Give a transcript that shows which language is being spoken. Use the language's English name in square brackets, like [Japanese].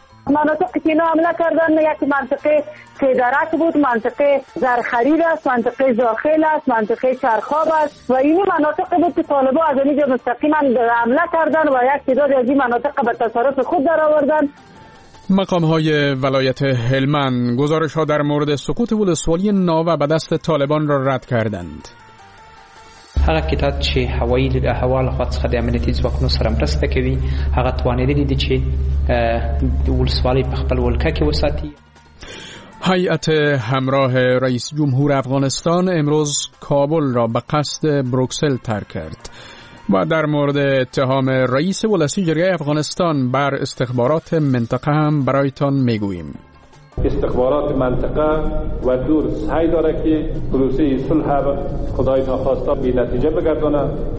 [Persian] مناطق که اینا حمله کردن یک منطقه خیدرک بود، منطقه زرخرید است، منطقه زاخل است، منطقه چرخاب است و این مناطق بود که طالبا از اینجا مستقیمن حمله کردن و یک تعداد از این مناطق به تصرف خود در آوردن. مقام های ولایت هلمند گزارش ها در مورد سقوط ولسوالی ناوه به دست طالبان را رد کردند. [Pashto] هغه کتاب چې هوایی د احوال خاص خدای امنیتي ځواکونو سره مرسته کوي، هغه توانیدلی دی چې ولسوالی په خپل ولکه کې وساتي. [Persian] هیئت همراه رئیس جمهور افغانستان امروز کابل را به قصد بروکسل ترک کرد و در مورد اتهام رئیس ولسی جرگه افغانستان بر استخبارات منطقه هم برایتان میگوییم. استخبارات منطقه و دور سعی داره که پروسه صلح را خدای ناخواستا بی نتیجه بگردانه.